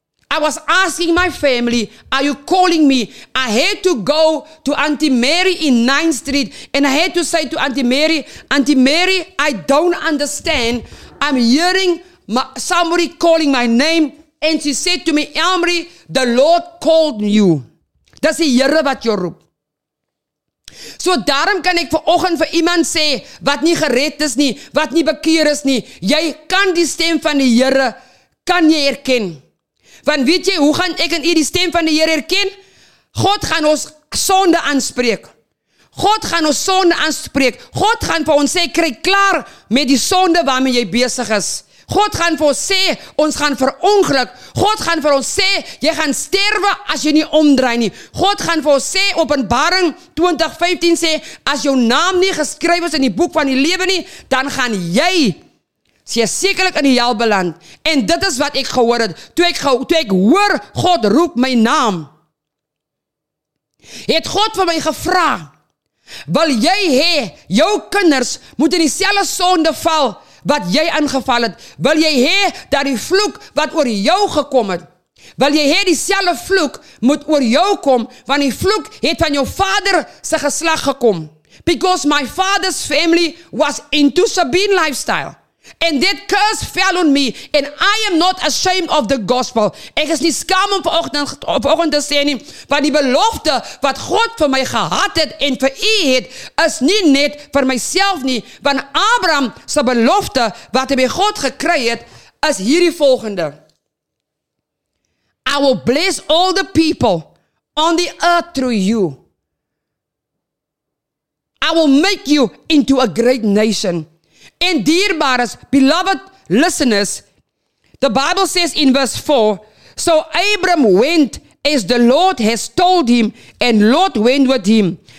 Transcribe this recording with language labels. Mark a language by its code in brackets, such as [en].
[en] I was asking my family, are you calling me? I had to go to Auntie Mary in 9th Street. And I had to say to Auntie Mary, Auntie Mary, I don't understand. I'm hearing somebody calling my name. And she said to me, Elmarie, the Lord called you. [af] Dis die Here wat jou roep. So daarom kan ek vanoggend vir iemand sê, wat nie gered is nie, wat nie bekeer is nie, jy kan die stem van die Here, kan jy herken. Want weet jy, hoe gaan ek en jy die stem van die Here herken? God gaan ons sonde aanspreek. God gaan ons sonde aanspreek. God gaan vir ons sê, kry klaar met die sonde waarmee jy besig is. God gaan vir ons sê, ons gaan verongeluk. God gaan vir ons sê, jy gaan sterwe as jy nie omdraai nie. God gaan vir ons sê, Openbaring 20:15 sê, as jou naam nie geskryf is in die boek van die lewe nie, dan gaan jy sekerlik in die hel beland. En dit is wat ek gehoor het. Toe ek hoor, God roep my naam. Het God vir my gevra, wil jy hê, jou kinders moet in dieselfde sonde val, wat jy aangeval het, wil jy hê dat die vloek wat oor jou gekom het, wil jy hê dieselfde vloek moet oor jou kom, want die vloek het van jou vader se geslag gekom. [en] Because my father's family was into Sabine lifestyle. And that curse fell on me, and I am not ashamed of the gospel. [af] Ek is nie skaam om vanoggend te sê nie, want die belofte wat God vir my gehad het en vir u het, is nie net vir myself nie, want Abraham se belofte wat hy by God gekry het, is hierdie volgende. [en] I will bless all the people on the earth through you. I will make you into a great nation. [af] En dierbares, [en] beloved listeners, the Bible says in verse 4, so Abram went as the Lord has told him, and Lot went with him.